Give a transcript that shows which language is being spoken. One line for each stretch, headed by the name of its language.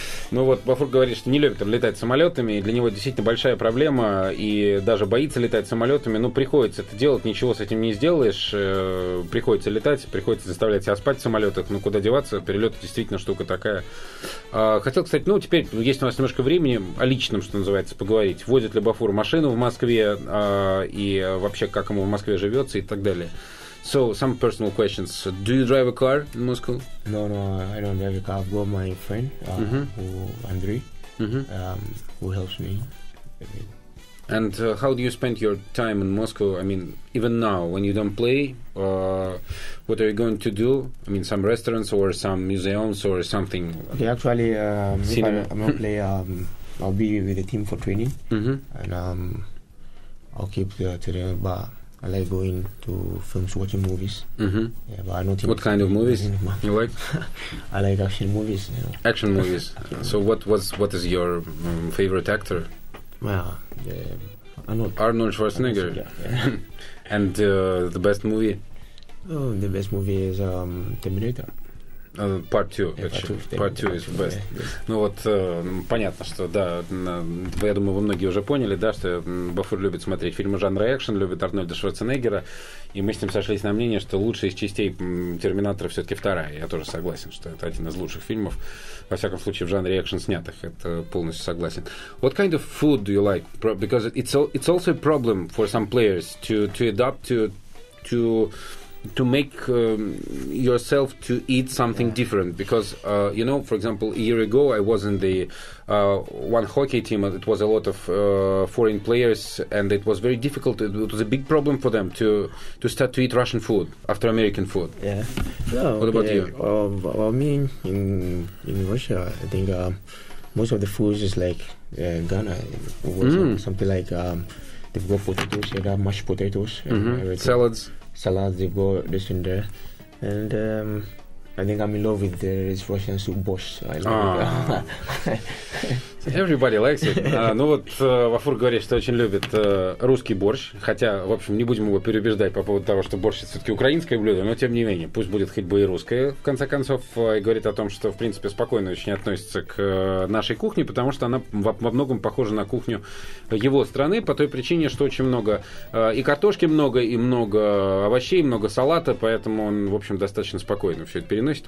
Russian: Ну вот, Бафур говорит, что не любит летать самолетами, и для него действительно большая проблема, и даже боится летать самолетами, но приходится это делать, ничего с этим не сделаешь, приходится летать, приходится заставлять себя спать в самолетах, ну куда деваться, перелеты действительно штука такая. Хотел, кстати, ну теперь есть у нас немножко времени о личном, что называется, поговорить. Водит ли Бафур машину в Москве, и вообще как ему в Москве живется и так далее.
English: So, some personal questions. Do you drive a car in Moscow? No, I don't drive a car. I've got my friend, Andrei, who helps me. And how do you spend your time in Moscow? I mean, even now, when you don't play, what are you going to do? I mean, some restaurants or some museums or something? Okay, actually, if I'm not play, I'll be with the team for training. Mm-hmm. And I'll keep the training, but I like going to films, watching movies. Mm-hmm. Yeah, but I don't. What kind of movies you like? I like action movies. You know. Action movies. So what is your favorite actor? Well, Arnold Schwarzenegger. Yeah. And the best movie? Oh, the best movie is Terminator. Part 2 is the best. Yeah, yeah.
Russian: Ну вот, понятно, что, да, я думаю, вы многие уже поняли, да, что Бафур любит смотреть фильмы жанра экшен, любит Арнольда Шварценеггера, и мы с ним сошлись на мнение, что лучшая из частей «Терминатора» все-таки вторая. Я тоже согласен, что это один из лучших фильмов, во всяком случае, в жанре экшен снятых. Это полностью согласен.
English: What kind of food do you like? Because it's also a problem for some players to adapt to make yourself to eat something different, because you know, for example, a year ago I was in the one hockey team, and it was a lot of foreign players, and it was very difficult. It was a big problem for them to start to eat Russian food after American food. Yeah. No, what about you? Well, me in Russia, I think most of the food is like Ghana, something like they've got potatoes, they got mashed potatoes, salads. Salads, they've got this and there. And I think I'm in love with this Russian soup, borscht. I love it. Everybody likes it.
Russian: Ну вот, Вафур говорит, что очень любит русский борщ. Хотя, в общем, не будем его переубеждать по поводу того, что борщ это все-таки украинское блюдо, но тем не менее, пусть будет хоть бы и русское, в конце концов. И говорит о том, что, в принципе, спокойно очень относится к нашей кухне, потому что она во многом похожа на кухню его страны, по той причине, что очень много и картошки много, и много овощей, и много салата, поэтому он, в общем, достаточно спокойно все это переносит.